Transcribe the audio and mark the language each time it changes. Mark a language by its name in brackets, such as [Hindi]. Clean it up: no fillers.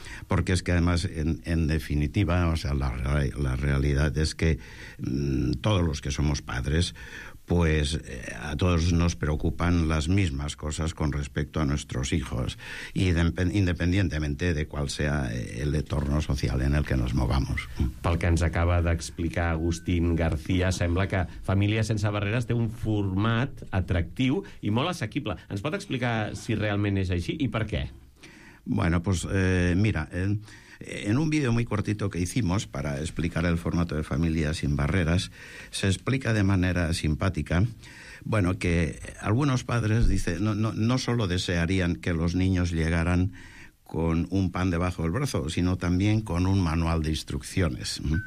[Spanish] Porque es que además, en definitiva, o sea, la realidad es que todos los que somos padres, pues a todos nos preocupan las mismas cosas con respecto a nuestros hijos, y independientemente de cuál sea el entorno social en el que nos movamos. [Catalan] Pel que ens acaba d'explicar Agustín García, sembla que Famílies sense Barreres té un format atractiu i molt assequible. Ens pot explicar si realment és així i per què? [Spanish] Bueno, pues mira, En un vídeo muy cortito que hicimos para explicar el formato de Familia sin Barreras, se explica de manera simpática, bueno, que algunos padres, dice, no solo desearían que los niños llegaran con un pan debajo del brazo, sino también con un manual de instrucciones.